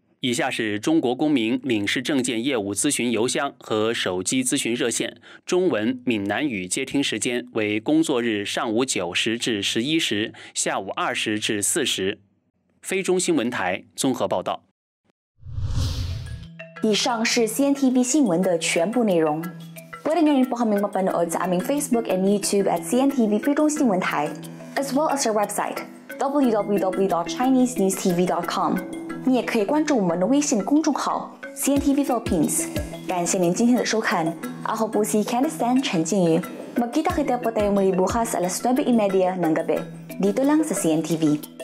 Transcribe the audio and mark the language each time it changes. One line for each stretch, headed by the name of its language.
Chinese: 以下是中国公民领事证件业务咨询邮箱和手机咨询热线，中文、闽南语接听时间为工作日上午9时至11时，下午20时至4时。非中新闻台综合报道。以上是 CNTV 新闻的全部内容。
Filipino: Pwede nyo rin po kaming mapanood sa aming Facebook and YouTube at CNTV Phi Trung Sinh Wen Thai, as well as our website, www.chinesenewstv.com.
Chinese: 你也可以关注我们的微信公众号 CNTV Philippines. 感谢您今天的收看。
Filipino: Ako po si Candice Tan, 陈静瑜。 Magkita kita po tayo muli bukas alas 9:30 ng gabi, dito lang sa CNTV.